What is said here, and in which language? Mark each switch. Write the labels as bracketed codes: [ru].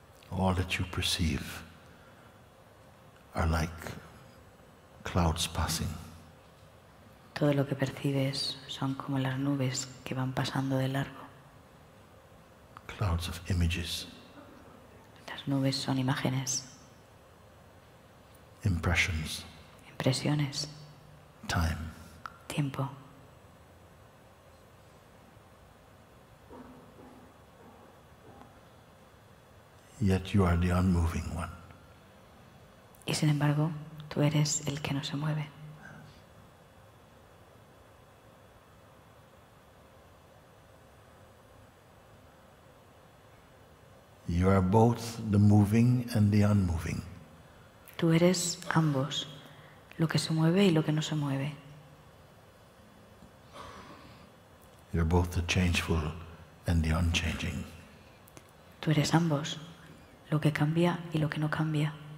[en] All that you perceive are like clouds passing. [es] Todo lo que percibes son como las nubes que van pasando de largo. [en] Clouds of images. [es] Las nubes son imágenes. [en] Impressions. [es] Impresiones. [en] Time. [es] Tiempo. [en] Yet you are the unmoving one. [es] Y sin embargo, tú eres el que no se mueve. [en] You are both the moving and the unmoving. [es] Tú eres ambos, lo que se mueve y lo que no se mueve. [en] You're both the changeful and the unchanging. [es] Tú eres ambos, lo que cambia y lo que no cambia.